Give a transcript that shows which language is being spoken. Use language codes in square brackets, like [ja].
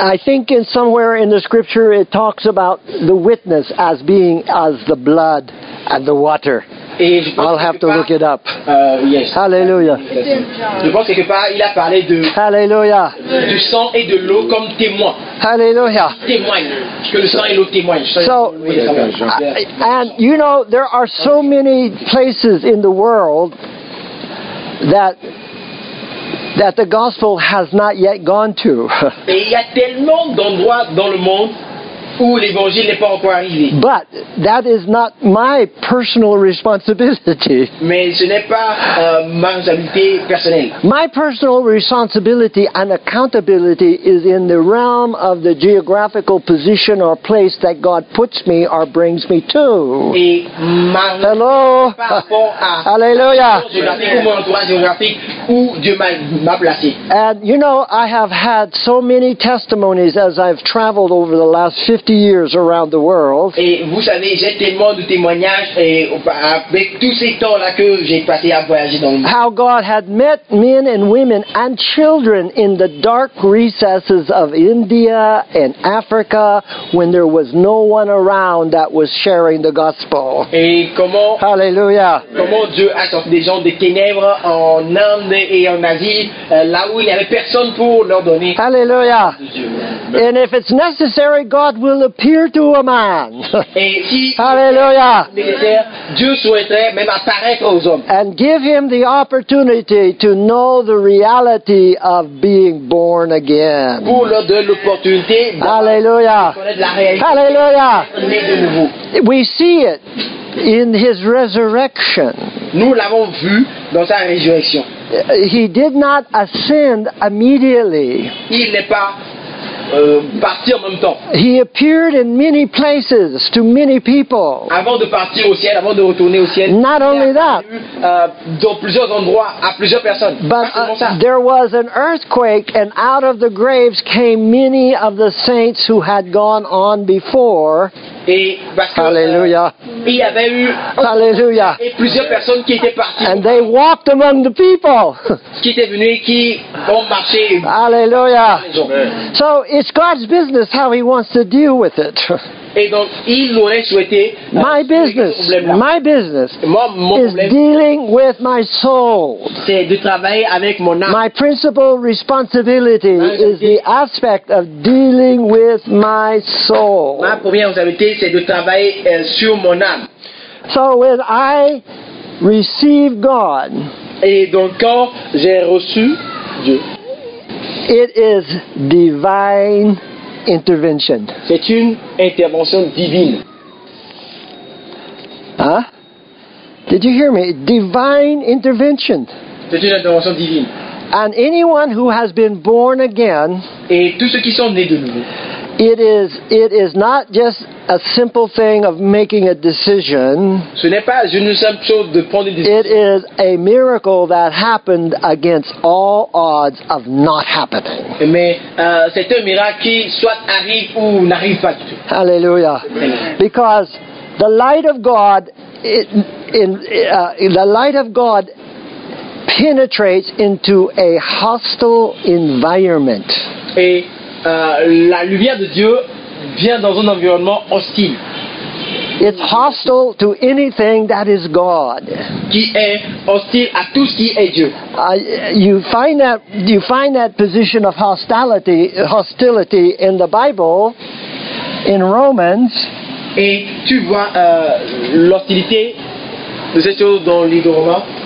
[en] I think in somewhere in the scripture it talks about the witness as being as the blood and the water. I'll have to look it up. Yes. Hallelujah. [fr] Je pense quelque part, il a parlé de Hallelujah. Du sang et de l'eau comme témoin. Hallelujah. Témoigne. Parce que le sang et l'eau témoignent. [en] So, and you know, there are so many places in the world that the gospel has not yet gone to. [fr] Et il y a tellement d'endroits dans le monde où l'évangile n'est pas encore arrivé. [en] But that is not my personal responsibility. [fr] Mais ce n'est pas ma responsabilité personnelle. [en] My personal responsibility and accountability is in the realm of the geographical position or place that God puts me or brings me to. Hello. Hallelujah. And you know, I have had so many testimonies as I've traveled over the last 50 years around the world. [fr] Et vous savez, j'ai tellement de témoignages avec tous ces temps là que j'ai passé à voyager dans le monde. [en] How God had met men and women and children in the dark recesses of India and Africa when there was no one around that was sharing the gospel. [fr] Et comment Hallelujah. Comment Dieu a sorti des gens des ténèbres en Inde et en Asie là où il n'y avait personne pour leur donner. Hallelujah. [en] And if it's necessary, God will appear to a man. Hallelujah. And give him the opportunity to know the reality of being born again. Hallelujah. Hallelujah. We see it in his resurrection. [fr] Nous l'avons vu dans sa résurrection. [en] He did not ascend immediately. [fr] Il n'est pas parti en même temps. [en] He appeared in many places to many people. [fr] Avant de partir au ciel, avant de retourner au ciel. [en] Not only that, [fr] dans plusieurs endroits à plusieurs personnes. [en] But there was an earthquake, and out of the graves came many of the saints who had gone on before. Hallelujah. Hallelujah. [fr] Et plusieurs personnes qui étaient parties. [en] And they walked among the people. [fr] Qui étaient venus, qui ont marché. Hallelujah. [en] So it's God's business how he wants to deal with it. [fr] Et donc, il aurait souhaité, [en] my business [fr] mon [en] is dealing with my soul. [fr] C'est de travailler avec mon âme. [en] My principal responsibility is the aspect of dealing with my soul. [fr] Ma première responsabilité, c'est de travailler sur mon âme. [en] So when I receive God, [fr] et donc quand j'ai reçu Dieu, [en] it is divine intervention. [fr] C'est une intervention divine. [en] Huh? Did you hear me? Divine intervention. [fr] C'est une intervention divine. [en] And anyone who has been born again, [fr] et tous ceux qui sont nés de nouveau, [en] it is not just a simple thing of making a decision. [fr] Ce n'est pas une simple chose de prendre une décision. [en] It is a miracle that happened against all odds of not happening. [fr] Mais c'est un miracle qui soit arrive ou n'arrive pas du tout. Hallelujah. [en] Because the light of God penetrates into a hostile environment. [fr] La lumière de Dieu vient dans un environnement hostile. [en] It's hostile to anything that is God. [fr] Qui est hostile à tout ce qui est Dieu. [en] You find that position of hostility in the Bible, in Romans. [fr] Et tu vois l'hostilité de cette chose dans le livre de Romains.